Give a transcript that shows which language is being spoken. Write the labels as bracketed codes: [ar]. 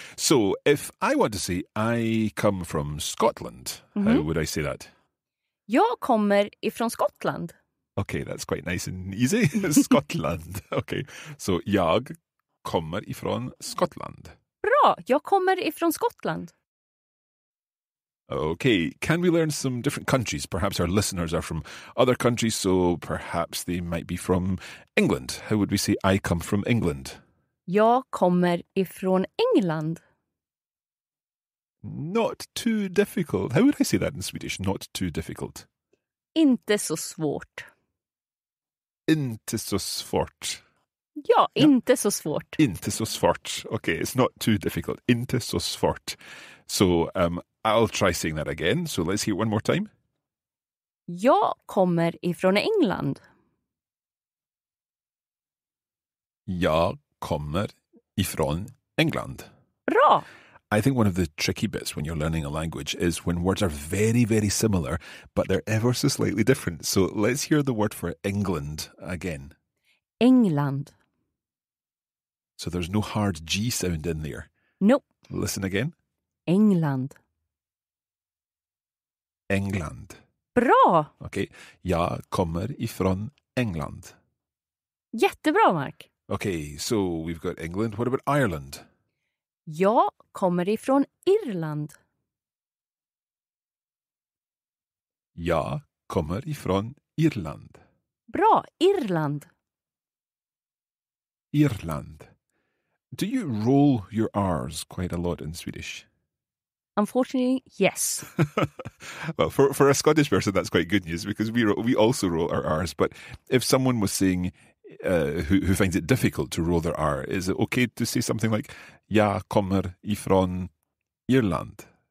[en] So if I want to say I come from Scotland, mm-hmm, how would I say that? [sv] Jag kommer ifrån Skottland. [en] Okay, that's quite nice and easy. Scotland. Okay, so [sv] jag kommer ifrån Skottland. Bra, jag kommer ifrån Skottland. [en] Okay, can we learn some different countries? Perhaps our listeners are from other countries, so perhaps they might be from England. How would we say I come from England? [sv] Jag kommer ifrån England. [en] Not too difficult. How would I say that in Swedish? Not too difficult. [sv] Inte så svårt. Inte så svårt. Ja, inte så svårt. Inte så svårt. [en] Okay, it's not too difficult. [sv] Inte så svårt. [en] So, I'll try saying that again. So let's hear it one more time. [sv] Jag kommer ifrån England. Jag kommer ifrån England. Bra! [en] I think one of the tricky bits when you're learning a language is when words are very, very similar, but they're ever so slightly different. So let's hear the word for England again. England. So there's no hard G sound in there. Nope. Listen again. England. England. [sv] Bra! [en] Okay. [sv] Jag kommer ifrån England. Jättebra, Mark. [en] Okay, so we've got England. What about Ireland? [sv] Jag kommer ifrån Irland. Jag kommer ifrån Irland. Bra, Irland. Irland. [en] Do you roll your R's quite a lot in Swedish? Unfortunately, yes. Well, for a Scottish person, that's quite good news because we also roll our R's. But if someone was saying who finds it difficult to roll their R, is it okay to say something like, [sv] Jag kommer ifrån Irland?